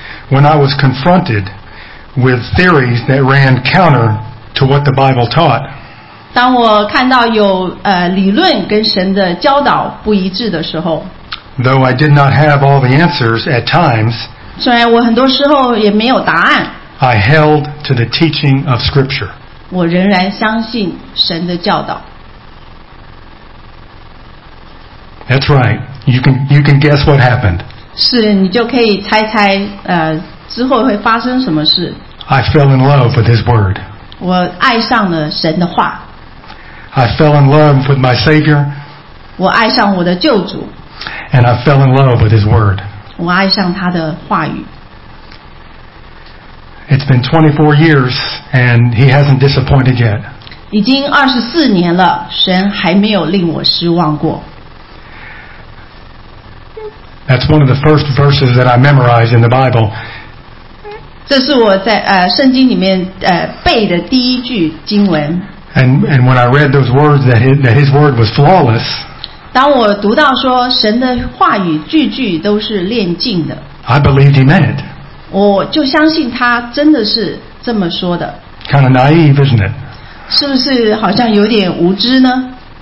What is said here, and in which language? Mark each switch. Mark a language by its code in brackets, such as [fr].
[en] When I was confronted with theories that ran counter to what the Bible taught, [zh] 当我看到有理论跟神的教导不一致的时候 [en] Though I did not have all the answers at times [zh] 虽然我很多时候也没有答案 [en] I held to the teaching of Scripture [zh] 我仍然相信神的教导 [en] That's right, you can guess what happened [zh] 是你就可以猜猜之后会发生什么事 [en] I fell in love with His Word [zh] 我爱上了神的话 [en] I fell in love with my Savior. [zh] 我爱上我的救主。 [en] And I fell in love with His Word. [zh] 我爱上他的话语。 [en] It's been 24 years, and He hasn't disappointed yet. [zh] 已经24年了，神还没有令我失望过。 [en] That's one of the first verses that I memorized in the Bible. [zh] 这是我在圣经里面背的第一句经文。 [en] And when I read those words that his word was flawless, [zh] 当我读到说神的话语句句都是炼净的 [en] I believed He meant it. [zh] 我就相信他真的是这么说的 [en] Kind of naive, isn't it? [zh] 是不是好像有点无知呢